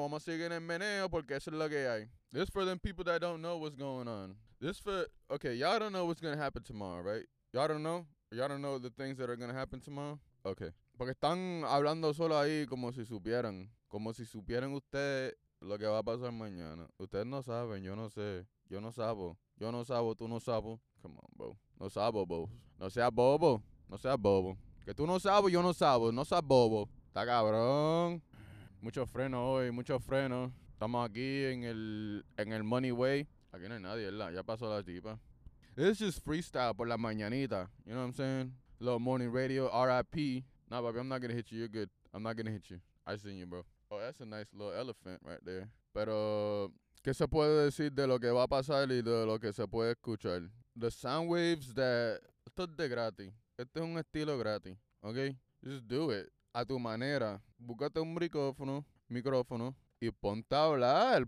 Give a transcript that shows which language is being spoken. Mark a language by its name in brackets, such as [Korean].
[Spanish] Vamos a seguir en el meneo porque eso es lo que hay. [English] This for them people that don't know what's going on. This for... Okay, y'all don't know what's gonna happen tomorrow, right? Y'all don't know? Y'all don't know the things that are gonna happen tomorrow? Okay. [Spanish] Porque están hablando solo ahí como si supieran. Como si supieran ustedes... Lo que va a pasar mañana. Ustedes no saben, yo no sé. Yo no sabo. Yo no sabo, tú no sabo. [English] Come on, bro. [Spanish] No sabo, bro. No seas bobo. No seas bobo. Que tú no sabo, yo no sabo. No seas bobo. Está cabrón. Mucho freno hoy, mucho freno. Estamos aquí en el Money Way. Aquí no hay nadie, ¿verdad? Ya pasó la tipa. [English] This is freestyle [Spanish] por la mañanita. [English] You know what I'm saying? A little morning radio, RIP. Nah, baby, I'm not gonna hit you. You're good. I'm not gonna hit you. I seen you, bro. Oh, that's a nice little elephant right there. [Spanish] Pero, ¿qué se puede decir de lo que va a pasar y de lo que se puede escuchar? [English] The sound waves that... [Spanish] Esto es de gratis. Este es un estilo gratis, okay? [English] Just do it. [Spanish] A tu manera. Búscate un micrófono, y ponte a hablar.